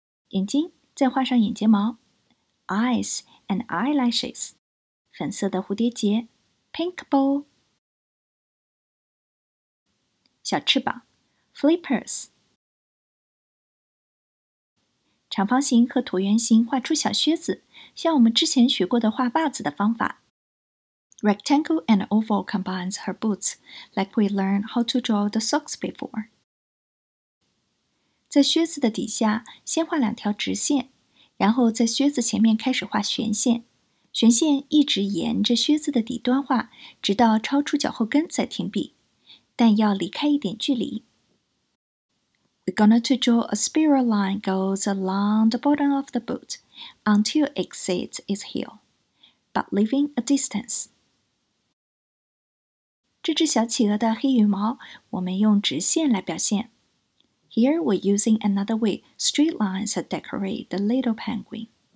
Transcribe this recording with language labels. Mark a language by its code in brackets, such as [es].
[zh] 眼睛。再画上眼睫毛 ， [en] eyes and eyelashes， [zh] 粉色的蝴蝶结 ， [en] pink bow， [zh] 小翅膀 ，flippers， 长方形和椭圆形画出小靴子，像我们之前学过的画袜子的方法。 [en] Rectangle and oval combines her boots, like we learned how to draw the socks before. [zh] 在靴子的底下，先画两条直线。然后在靴子前面开始画旋线，旋线一直沿着靴子的底端画，直到超出脚后跟再停笔，但要离开一点距离。 [en] We're gonna to draw a spiral line goes along the bottom of the boot until exceeds its heel, but leaving a distance. [zh] 这只小企鹅的黑羽毛，我们用直线来表现。 [en] Here we're using another way, straight lines to decorate the little penguin.